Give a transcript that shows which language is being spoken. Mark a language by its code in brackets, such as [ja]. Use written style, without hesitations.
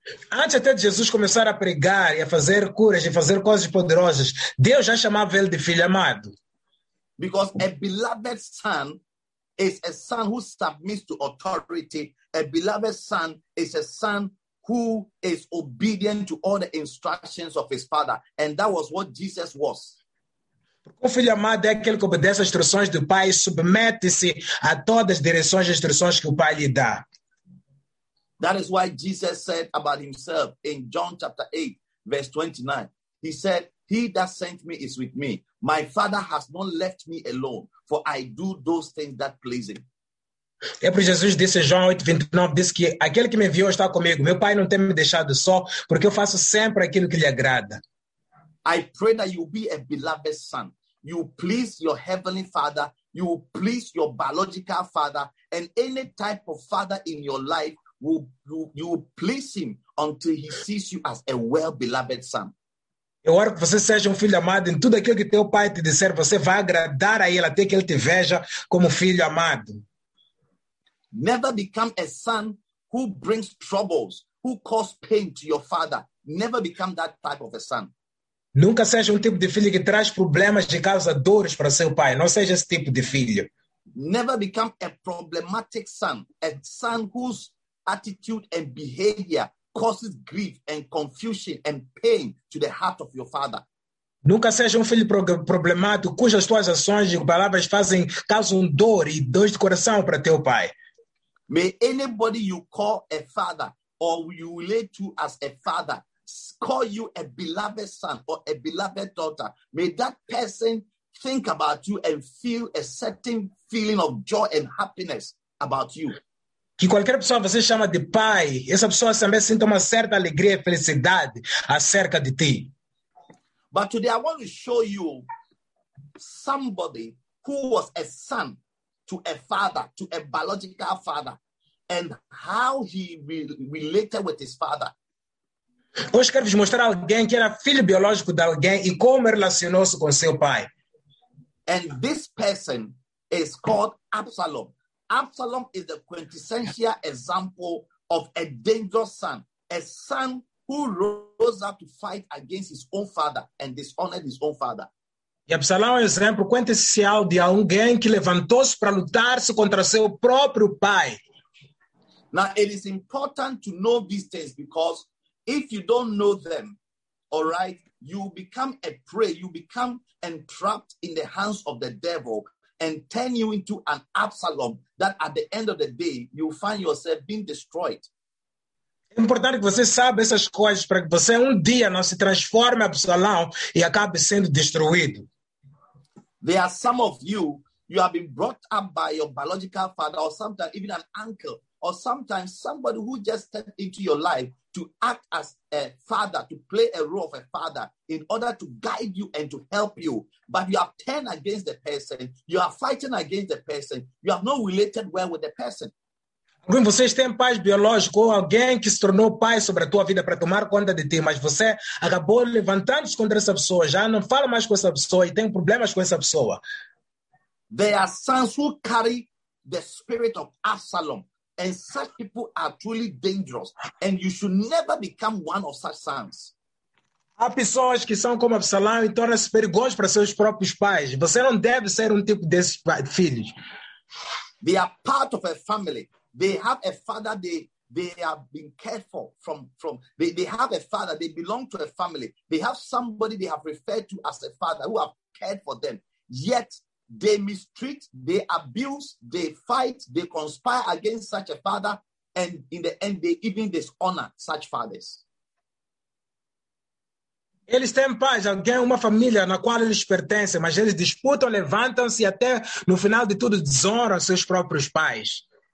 [pt] Antes até de Jesus começar a pregar e a fazer curas e fazer coisas poderosas, Deus já chamava ele de filho amado. [en] Because a beloved son is a son who submits to authority. A beloved son is a son who is obedient to all the instructions of his father. And that was what Jesus was. [pt] Porque o filho amado é aquele que obedece às instruções do Pai e submete-se a todas as direções e instruções que o Pai lhe dá. [en] That is why Jesus said about himself in John chapter 8, verse 29. He said, he that sent me is with me. My Father has not left me alone, for I do those things that please him. [pt] É por Jesus disse em João 8, 29, disse que aquele que me enviou está comigo. Meu Pai não tem me deixado só, porque eu faço sempre aquilo que lhe agrada. [en] I pray that you be a beloved son. You please your heavenly Father. You please your biological Father. And any type of Father in your life, you will please him until he sees you as a well-beloved son. [pt] Eu oro que você seja filho amado em tudo aquilo que teu pai te disser, você vai agradar a ele até que ele te veja como filho amado. [en] Never become a son who brings troubles, who causes pain to your father. Never become that type of a son. [pt] Nunca seja tipo de filho que traz problemas e causa dores para seu pai. Não seja esse tipo de filho. [en] Never become a problematic son, a son whose attitude and behavior causes grief and confusion and pain to the heart of your father. [pt] Nunca seja filho problemático cujas tuas ações e palavras fazem causam dor e dor de coração para teu pai. [en] May anybody you call a father or you relate to as a father call you a beloved son or a beloved daughter. May that person think about you and feel a certain feeling of joy and happiness about you. [pt] Que qualquer pessoa você chama de pai, essa pessoa também sinta uma certa alegria e felicidade acerca de ti. [en] But today I want to show you somebody who was a son to a father, to a biological father, and how he related with his father. [pt] Hoje quero vos mostrar alguém que era filho biológico de alguém e como relacionou-se com seu pai. [en] And this person is called Absalom. Absalom is the quintessential example of a dangerous son. A son who rose up to fight against his own father and dishonored his own father. [pt] E Absalom é um exemplo quintessencial de alguém que levantou-se para lutar-se contra seu próprio pai. [en] Now, it is important to know these things because if you don't know them, all right, you become a prey, you become entrapped in the hands of the devil and turn you into an Absalom that at the end of the day, you find yourself being destroyed. [pt] É importante que você saiba essas coisas para que você um dia não se transforme em Absalão e acabe sendo destruído. [en] There are some of you, you have been brought up by your biological father or sometimes even an uncle or sometimes somebody who just stepped into your life to act as a father, to play a role of a father in order to guide you and to help you. But you have turned against the person, you are fighting against the person, you have not related well with the person. [pt] Alguém, vocês têm pais biológicos ou alguém que se tornou pai sobre a tua vida para tomar conta de ti, mas você acabou levantando-se contra essa pessoa, já não fala mais com essa pessoa e tem problemas com essa pessoa. [en] There are sons who carry the spirit of Absalom, and such people are truly dangerous, and you should never become one of such sons. [pt] Há pessoas que são como Absalão e tornam-se perigosos para seus próprios pais. Você não deve ser tipo desses filhos. [en] They are part of a family. They have a father they have been cared for from they have a father, they belong to a family, they have somebody they have referred to as a father who have cared for them, yet they mistreat, they abuse, they fight, they conspire against such a father, and in the end they even dishonor such fathers. [pt] Eles têm pais, alguém, uma família na qual eles pertencem, mas eles disputam, levantam-se e até no final de tudo desonram seus próprios pais.